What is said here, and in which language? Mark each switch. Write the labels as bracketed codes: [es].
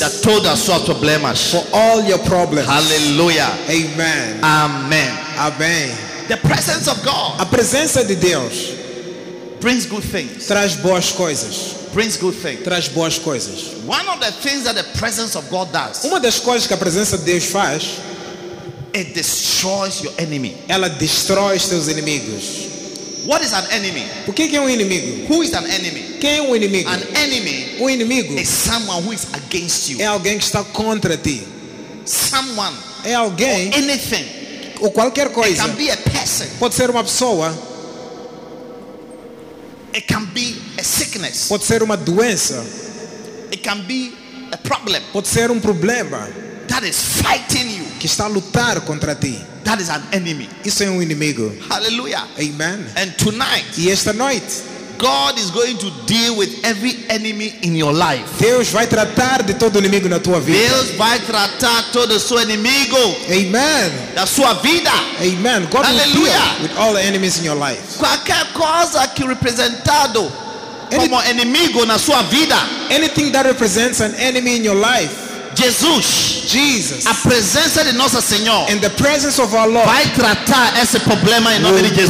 [en] that [pt] todas suas problemas [en] for all your problems. Hallelujah. Amen. Amen. Amen. The presence of God. [pt] A presença de Deus [en] brings good things. [pt] Traz boas coisas. [en] Brings good things. [pt] Traz boas coisas. [en] One of the things that the presence of God does. [pt] Uma das coisas que a presença de Deus faz. [en] It destroys your enemy. [pt] Ela destrói os teus inimigos. [en] What is an enemy? [pt] O que é inimigo? [en] Who is an enemy? [pt] Quem é inimigo? [en] An enemy. [pt] O inimigo. [en] Is someone who is against you. [pt] É alguém que está contra ti. [en] Someone. [pt] É alguém. [en] Or anything. [pt] Ou qualquer coisa. [en] It can be a person. [pt] Pode ser uma pessoa. [en] It can be a sickness. [pt] Pode ser uma doença. [en] It can be a problem. [pt] Pode ser problema. [en] That is fighting you. [pt] Que está a lutar contra ti. [en] That is an enemy. [pt] Isso é inimigo. Hallelujah. Amen. [en] And tonight. [pt] E esta noite. [en] God is going to deal with every enemy in your life. [pt] Deus vai tratar de todo inimigo na tua vida. Deus vai tratar todo seu inimigo. Amen. Na sua vida. [en] Amen. God Hallelujah. Will deal with all the enemies in your life. [pt] Qualquer coisa que representado como inimigo na sua vida. [en] Anything that represents an enemy in your life. Jesus, Jesus, [pt] a presença de nosso Senhor, [en] in the presence of our Lord, [pt] vai tratar esse problema em nome de Jesus.